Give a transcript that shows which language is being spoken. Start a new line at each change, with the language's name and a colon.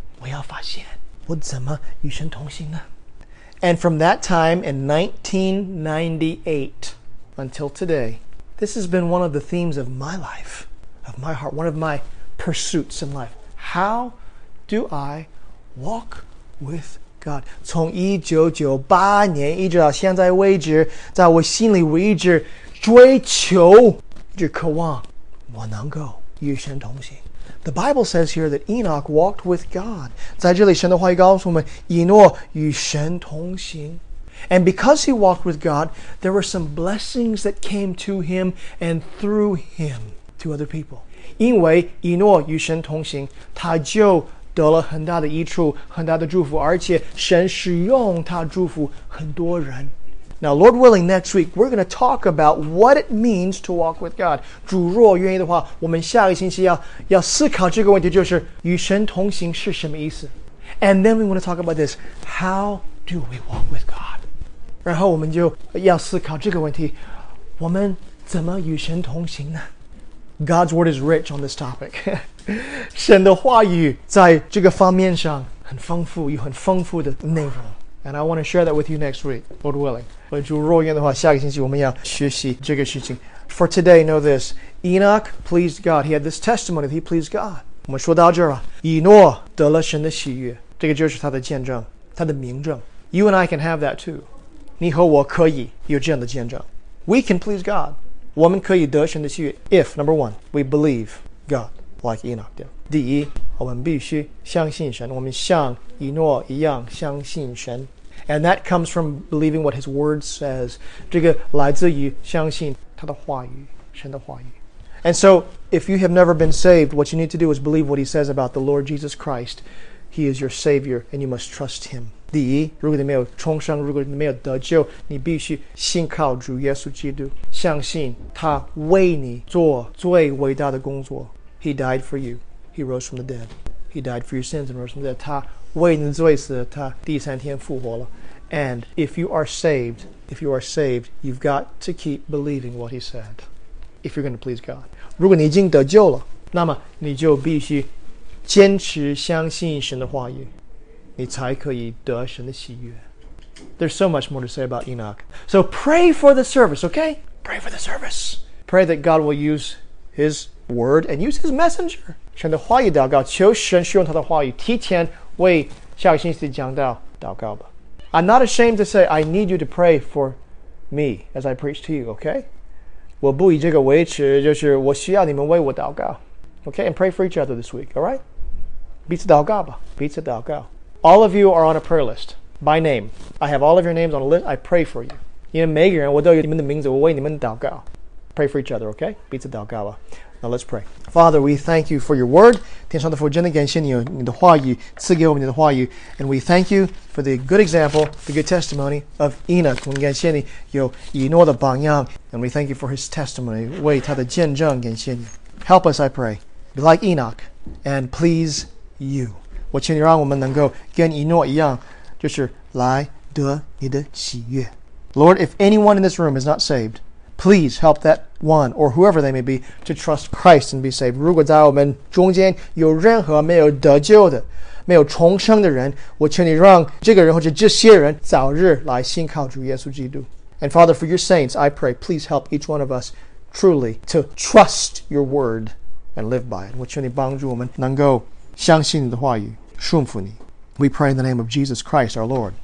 Chinese: 我要发现我怎么与神同行呢。
English: And from that time in 1998 until today, this has been one of the themes of my life. Of my heart, one of my pursuits in life. How do I walk with God?
Chinese: 从1998年一直到现在为止，在我心里我一直追求，就渴望我能够与神同行。
English: The Bible says here that Enoch walked with God.
Chinese: 在这里神的话语告诉我们，以诺与神同行。
English: And because he walked with God, there were some blessings that came to him and through him. To other people.
Chinese: 因为以诺与神同行，他就得了很大的益处，很大的祝福，而且神使用他祝福很多人。
English: Now, Lord willing, next week, we're going to talk about what it means to walk with God.
Chinese: 主若愿意的话，我们下个星期要思考这个问题，就是与神同行是什么意思。
English: And then we want to talk about this. How do we walk with God?
Chinese: 然后我们就要思考这个问题，我们怎么与神同行呢？
English: God's word is rich on this topic.
Chinese: 神的话语在这个方面上很丰富，有很丰富的内容。
English: And I want to share that with you next week, Lord willing.
Chinese: 主若愿的话，下个星期我们要学习这个事情。
English: For today, know this. Enoch pleased God. He had this testimony that he pleased God.
Chinese: 我们说到这儿啊，以诺得了神的喜悦，这个就是他的见证，他的名证。
English: You and I can have that too.
Chinese: 你和我可以有这样的见证。
English: We can please God.
Chinese: 我们可以得神的喜悦
English: if, number one, we believe God like Enoch did.
Chinese: 第一，我们必须相信神，我们像以诺一样相信神。
English: And that comes from believing what his word says.
Chinese: 这个来自于相信他的话语，神的话语。
English: And so, if you have never been saved, what you need to do is believe what he says about the Lord Jesus Christ. He is your Savior, and you must trust him.
Chinese: 第一，如果你没有重生，如果你没有得救，你必须信靠主耶稣基督，相信他为你做最伟大的工作。
English: He died for you. He rose from the dead. He died for your sins and rose from the dead.
Chinese: 他为你的罪死，他第三天复活了。
English: And if you are saved, you've got to keep believing what he said. If you're going to please God.
Chinese: 如果你已经得救了，那么你就必须坚持相信神的话语。你才可以得神的喜悦。
English: There's so much more to say about Enoch. So pray for the service, okay? Pray for the service. Pray that God will use his word and use his messenger.
Chinese: 神的话语祷告，求神使用他的话语，提前为下个星期讲道祷告吧。
English: I'm not ashamed to say I need you to pray for me as I preach to you, okay?
Chinese: 我不以这个为耻，就是我需要你们为我祷告。
English: Okay, and pray for each other this week, all right?
Chinese: 彼此祷告吧，彼此祷告。
English: All of you are on a prayer list by name. I have all of your names on a list. I pray for you.
Chinese: 你们每个人，我都有你们的名字，我为你们祷告。
English: Pray for each other, okay?
Chinese: 彼此祷告吧。
English: Now let's pray. Father, we thank you for your word.
Chinese: 天上的父，真的感谢你，你的话语赐给我们你的话语。
English: And we thank you for the good example, the good testimony of Enoch.
Chinese: 我们感谢你有以诺的榜样。
English: And we thank you for his testimony,
Chinese: 为他的见证感谢你。
English: Help us, I pray. Be like Enoch and please you.
Chinese: 我请你让我们能够跟以诺一样，就是来得你的喜悦。
English: Lord, if anyone in this room is not saved, please help that one or whoever they may be to trust Christ and be saved.
Chinese: 如果在我们中间有任何没有得救的、没有重生的人，我求你让这个人或者这些人早日来信靠主耶稣基督。
English: And Father, for your saints, I pray, please help each one of us truly to trust your word and live by it.
Chinese: 我求你帮助我们能够相信你的话语，顺服你。
English: We pray in the name of Jesus Christ, our Lord.